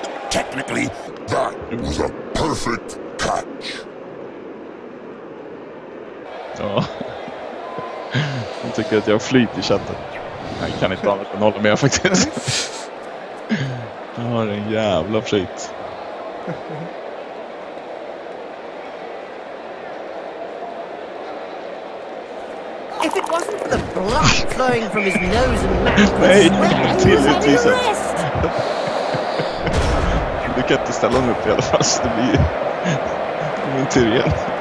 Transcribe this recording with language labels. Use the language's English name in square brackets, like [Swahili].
[English] Technically, that was a perfect catch. [Swedish] Ja, de tycker att jag har flyt i chatten. Jag kan inte annat än hålla med faktiskt. Jag har en jävla flyt. [English] If it wasn't for the blood flowing from his nose and mouth, nej, till it is it. [Swedish] Du kan inte ställa honom upp i alla fall så det blir min tur igen.